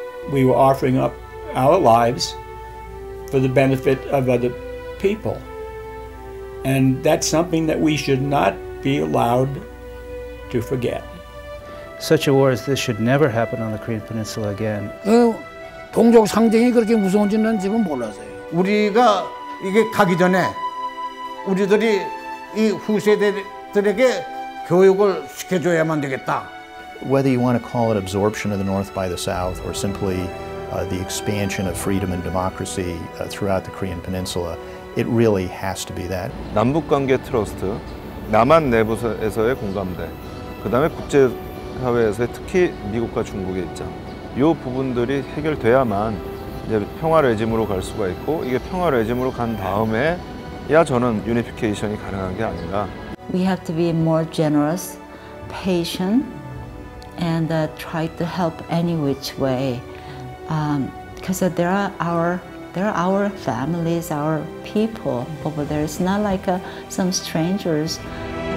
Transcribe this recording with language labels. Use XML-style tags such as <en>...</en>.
<en>We were offering up our lives for the benefit of other people. And that's something that we should not be allowed to forget. Such a war as this should never happen on the Korean Peninsula again.</en> <ko>동족 상징이 그렇게 무서운지는 지금 몰라서요. 우리가 이게 가기 전에 우리들이 이 후세대들에게 교육을 시켜줘야만 되겠다.</ko> <en>Whether you want to call it absorption of the North by the South or simply the expansion of freedom and democracy throughout the Korean Peninsula, it really has to be that.</en> <ko>남북관계 트러스트, 남한 내부에서의 공감대, 그 다음에 국제사회에서의 특히 미국과 중국의 입장. 요 부분들이 해결돼야만 이제 평화 레짐으로 갈 수가 있고 이게 평화 레짐으로 간 다음에야 저는 유니피케이션이 가능한 게 아닌가.</ko> <en>We have to be more generous, patient, and try to help any which way, because there are our families, our people over there. It's not like some strangers.</en>